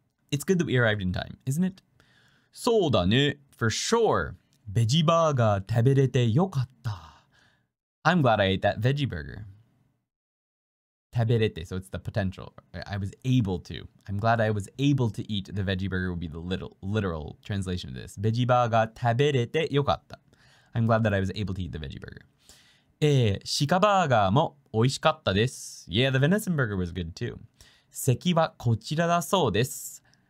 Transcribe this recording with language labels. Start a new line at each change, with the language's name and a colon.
English: It's good that we arrived in time, isn't it?
Japanese: そうだね。
English: For sure.
Japanese: ベジバーガー食べれてよかった。
English: I'm glad I ate that veggie burger. 食べれて、so it's the potential. I was able to. I'm glad I was able to eat the veggie burger would be the literal translation of this.
Japanese: ベジバーガー食べれてよかった。
English: I'm glad that I was able to eat the veggie burger.
Japanese: シカバーガーも美味しかったです。
English: Yeah, the venison burger was good too.
Japanese: 席はこちらだそうです。